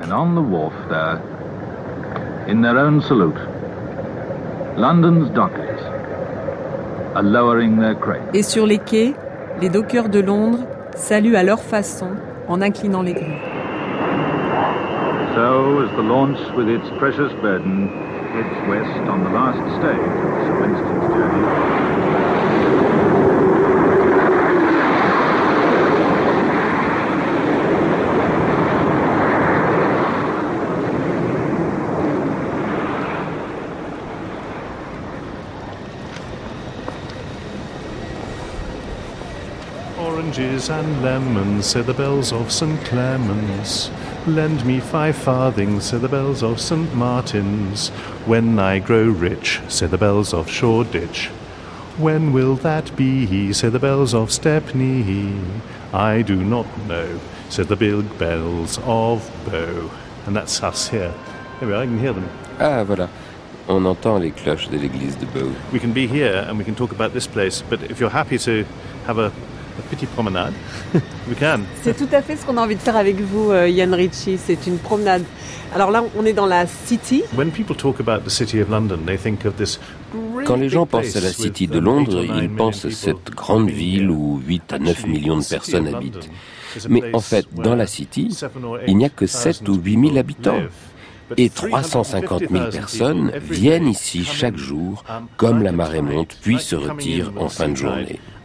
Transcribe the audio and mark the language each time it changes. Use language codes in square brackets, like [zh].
[en] And on the wharf there, in their own salute, London's dockers are lowering their crates. [fr] Et sur les quais, les dockers de Londres saluent à leur façon en inclinant les grues. [en] So as the launch with its precious burden heads west on the last stage of Sir Winston's journey. oranges and lemons, say the bells of St. Clement's. Lend me 5 farthings, say the bells of St. Martin's. When I grow rich, say the bells of Shoreditch. When will that be, say the bells of Stepney? I do not know, say the big bells of Bow. And that's us here. Here we are, I can hear them. [fr] Ah, voilà. On entend les cloches de l'église de Bow. [en] We can be here and we can talk about this place, but if you're happy to have a [fr] petite promenade, [en] we can. [fr] C'est tout à fait ce qu'on a envie de faire avec vous, Ian Ritchie. C'est une promenade. Alors là, on est dans la city. [en] When people talk about the city of London, they think of this. [fr] Quand les gens pensent à la City de Londres, ils pensent à cette grande ville où 8 à 9 millions de personnes habitent. Mais en fait, dans la City, il n'y a que 7 ou 8 000 habitants. Et 350 000 personnes viennent ici chaque jour, comme la marée monte, puis se retirent en fin de journée.